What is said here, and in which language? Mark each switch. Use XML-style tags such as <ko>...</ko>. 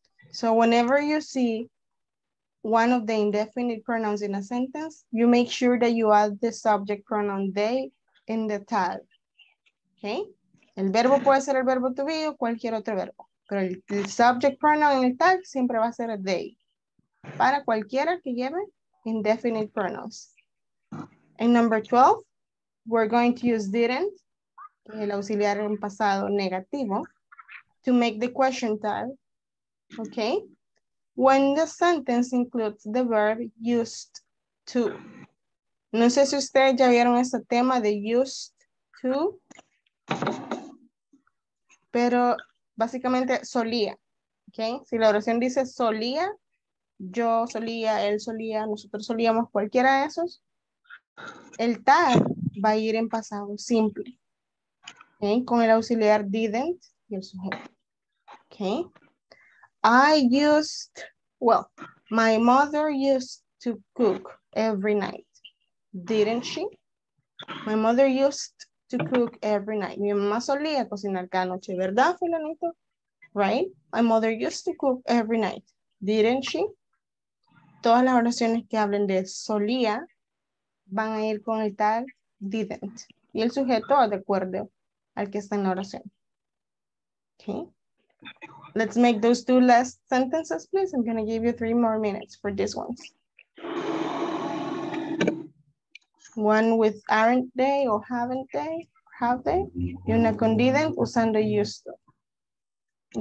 <en>So whenever you see one of the indefinite pronouns in a sentence, you make sure that you add the subject pronoun they in the tag. Okay?</en> <es>El verbo puede ser el verbo to be o cualquier otro verbo. Pero el</es> <en>subject pronoun in the tag</en> <es>siempre va a ser a they. Para cualquiera que lleve</es> <en>indefinite pronouns. And number 12, we're going to use didn't,</en> <es>el auxiliar en pasado negativo,</es> <en>to make the question tag, okay? When the sentence includes the verb used to.</en> <es>No sé si ustedes ya vieron este tema de used to, pero básicamente solía, okay? Si la oración dice solía, yo solía, él solía, nosotros solíamos, cualquiera de esos, el tag va a ir en pasado simple, okay, con el auxiliar didn't y el sujeto.</es> <en>Okay. I used, well, my mother used to cook every night, didn't she? My mother used to cook every night.</en> <es>Mi mamá solía cocinar cada noche, ¿verdad, fulanito? Right?</es> <en>My mother used to cook every night, didn't she?</en> <es>Todas las oraciones que hablen de solía van a ir con el tag didn't. Y el sujeto de acuerdo al que está en la oración.</es> <en>Okay. Let's make those two last sentences, please. I'm going to give you 3 more minutes for these ones. One with aren't they or haven't they? Have they?</en> <es>Y una con didn't usando used to.</es>